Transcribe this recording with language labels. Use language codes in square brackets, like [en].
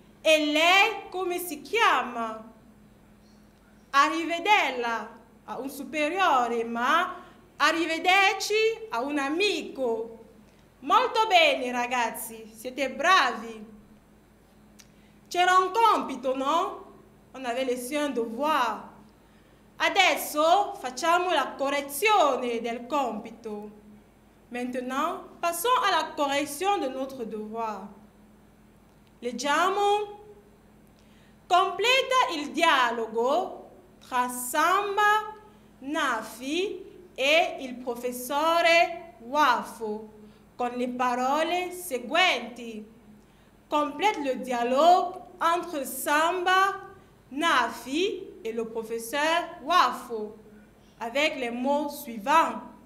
[it] E lei come si chiama? Arrivederla a un superiore, ma arrivederci a un amico. Molto bene, ragazzi, siete bravi. C'era un compito, no? [fr] On avait laissé un devoir. [it] Adesso facciamo la correzione del compito. [fr] Maintenant, passons à la correzione de notre devoir. [it] Leggiamo. Completa il dialogo tra Samba, Nafi e il professore Wafo con le parole seguenti. [fr] Complète le dialogue entre Samba, Nafi et le professeur Wafo avec les mots suivants.